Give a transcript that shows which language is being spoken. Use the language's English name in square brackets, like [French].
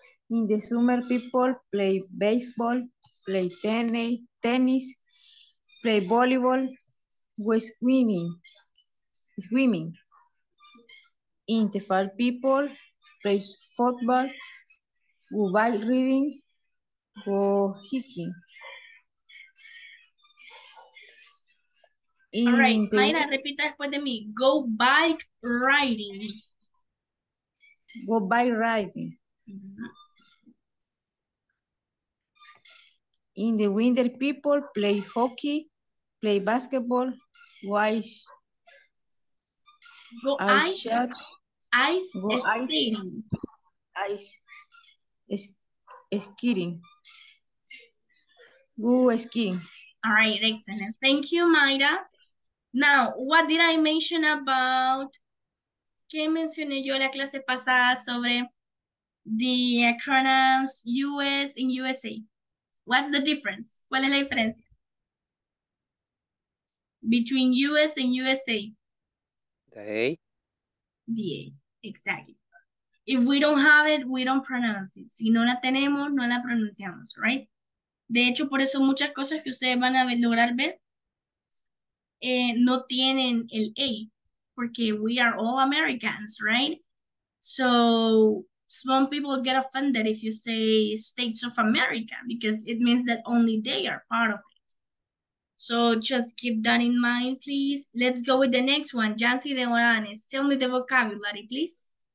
[English] In the summer, people play baseball, play tennis, play volleyball, with swimming. In the fall, people play football, go bike riding, go hiking. In all right, [Spanish] Mayra, repita después de mí. [English] Go bike riding. Go bike riding. Mm-hmm. In the winter, people play hockey, play basketball, ice. Go ice skating. Go skiing. All right, excellent. Thank you, Mayra. Now, what did I mention about, [Spanish] ¿qué mencioné yo la clase pasada sobre [English] the acronyms US and USA? What's the difference? [Spanish] ¿Cuál es la diferencia? [English] Between US and USA. The A. The A, exactly. If we don't have it, we don't pronounce it. [Spanish] Si no la tenemos, no la pronunciamos, right? De hecho, por eso muchas cosas que ustedes van a lograr ver, no tienen el A, porque [English] we are all Americans, right? So some people get offended if you say States of America, because it means that only they are part of it. So just keep that in mind, please. Let's go with the next one. Jancy de Oranes, tell me the vocabulary, please.